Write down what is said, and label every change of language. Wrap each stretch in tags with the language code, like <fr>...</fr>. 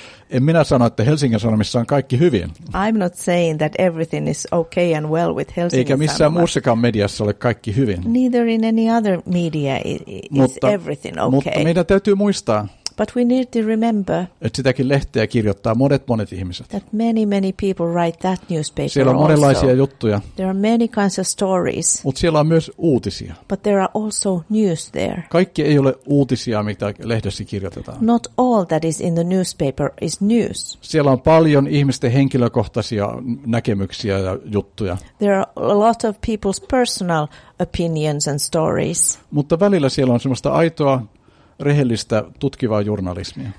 <fi>En minä sano, että Helsingin Sanomissa on kaikki hyvin.</fi> <en>I'm not saying that everything is okay and well with Helsingin Sanomat.</en> <fi>Eikä missään muussakaan mediassa ole kaikki hyvin.</fi> <en>Neither in any other media is everything okay.</en> <fi>Mutta meidän täytyy muistaa.</fi> <en>But we need to remember.</en> <fi>Että sitäkin lehteä kirjoittaa monet ihmiset.</fi> <en>That many people write that newspaper.</en> <fi>Siellä on monenlaisia juttuja.</fi> <en>There are many kinds of stories.</en> <fi>Mutta siellä on myös uutisia.</fi> <en>But there are also news there.</en> <fi>Kaikki ei ole uutisia, mitä lehdessä kirjoitetaan.</fi> <en>Not all that is in the newspaper is news.</en> <fi>Siellä on paljon ihmisten henkilökohtaisia näkemyksiä ja juttuja.</fi> <en>There are a lot of people's personal opinions and stories.</en> <fi>Mutta välillä siellä on semmoista aitoa, rehellistä tutkivaa journalismia.</fi>